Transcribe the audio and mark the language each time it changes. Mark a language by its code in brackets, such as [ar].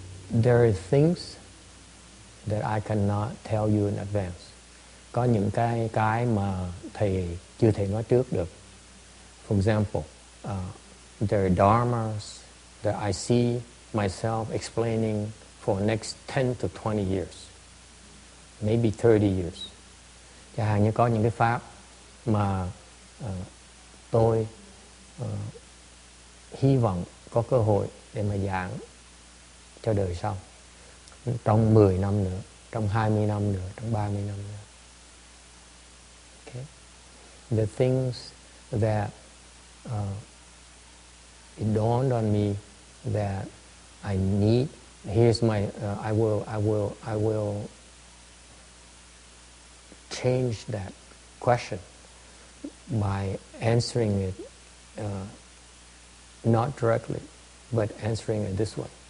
[en] There are things that I cannot tell you in advance. [vi] Có những cái mà thầy chưa thể nói trước được. [en] For example, there are dharmas that I see myself explaining for next 10 to 20 years. Maybe 30 years. [vi] Chẳng hạn như có những cái pháp mà tôi hy vọng có cơ hội để mà giảng cho đời sau. Trong 10 năm nữa, trong 20 năm nữa, trong 30 năm nữa. [en] Okay. The things that it dawned on me that I need, here's my I will change that question by answering it not directly, but answering it this way.